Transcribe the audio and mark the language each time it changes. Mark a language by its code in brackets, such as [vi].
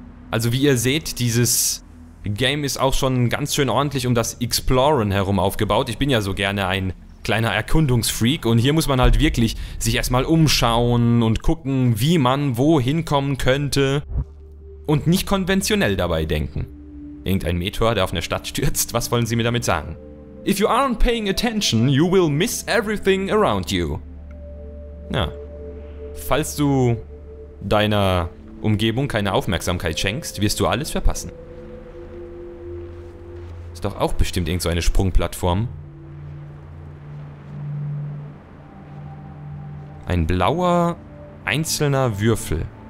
[de] Also wie ihr seht, dieses Game ist auch schon ganz schön ordentlich um das Exploren herum aufgebaut. Ich bin ja so gerne ein kleiner Erkundungsfreak und hier muss man halt wirklich sich erstmal umschauen und gucken, wie man wohin kommen könnte und nicht konventionell dabei denken. Irgendein Meteor, der auf eine Stadt stürzt, was wollen Sie mir damit sagen? [en] If you aren't paying attention, you will miss everything around you. [de] Ja. Falls du deiner Umgebung keine Aufmerksamkeit schenkst, wirst du alles verpassen. Ist doch auch bestimmt irgend so eine Sprungplattform. Ein blauer, einzelner Würfel.